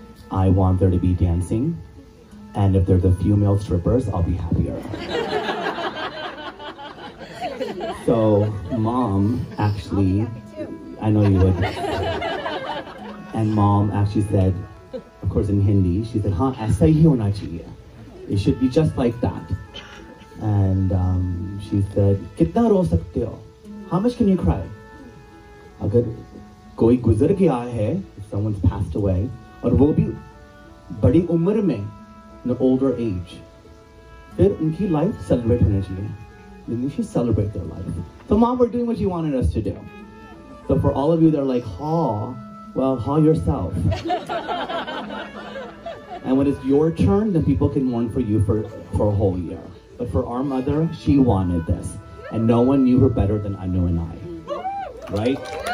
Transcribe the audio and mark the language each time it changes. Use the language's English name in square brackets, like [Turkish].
[English] I want there to be dancing. And if there's a few male strippers, I'll be happier. So Mom actually, I know you would. And Mom actually said, of course in Hindi, she said, [Hindi] "हाँ, ऐसा ही होना चाहिए. [English] It should be just like that." And she said, [Hindi] "कितना रो सकते हो? [English] How much can you cry? [Hindi] अगर कोई गुज़र गया है, [English] if someone's passed away, [Hindi] और वो भी बड़ी उमर में, [English] in the older age, [Hindi] फिर उनकी life celebrate होने चाहिए. [English] Then we should celebrate their life." So Mom, we're doing what you wanted us to do. So for all of you that are like, "Haw," well, haw yourself. And when it's your turn, then people can mourn for you for a whole year. But for our mother, she wanted this. And no one knew her better than Anu and I. Right?